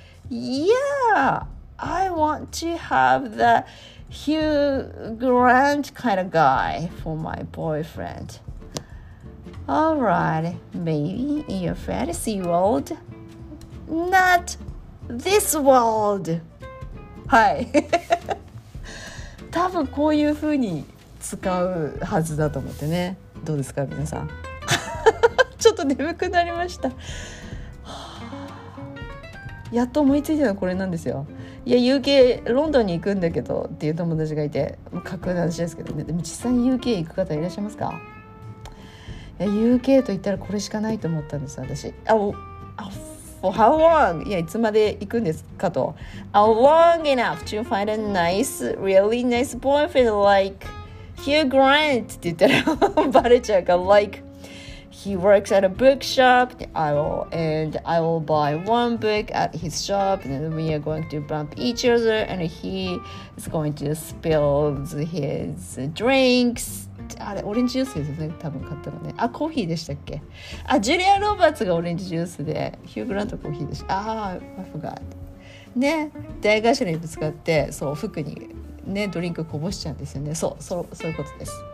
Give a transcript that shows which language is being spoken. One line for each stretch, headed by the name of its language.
English: Yeah, I want to have theHugh Grant kind of guy for my boyfriend. All right, maybe in your fantasy world, not this world.
Japanese: はい。多分こういう風に使うはずだと思ってね。どうですか皆さん。ちょっと眠くなりました。やっと思いついたのはこれなんですよ。いや UK ロンドンに行くんだけどっていう友達がいて、もう架空の話ですけどね。でも実際に UK 行く方いらっしゃいますか。いや UK と言ったらこれしかないと思ったんです私。
English: For how long?
Japanese: いやいつまで行くんですかと。
English: Long enough to find a nice, really nice boyfriend like Hugh Grant
Japanese: って言ったらバレちゃうから、
English: likeHe works at a bookshop, and I will buy one book at his shop, and then we are going to bump each other, and he is going to spill his drinks.
Japanese: あれ、オレンジジュースですね、多分買ったのね。あ、コーヒーでしたっけ？あ、ジュリア・ロバーツがオレンジジュースで、ヒュー・グラントコーヒーでした。
English: ああ、I forgot.
Japanese: ね、出会い頭にぶつかって、そう、服にね、ドリンクこぼしちゃうんですよね。そう、そういうことです。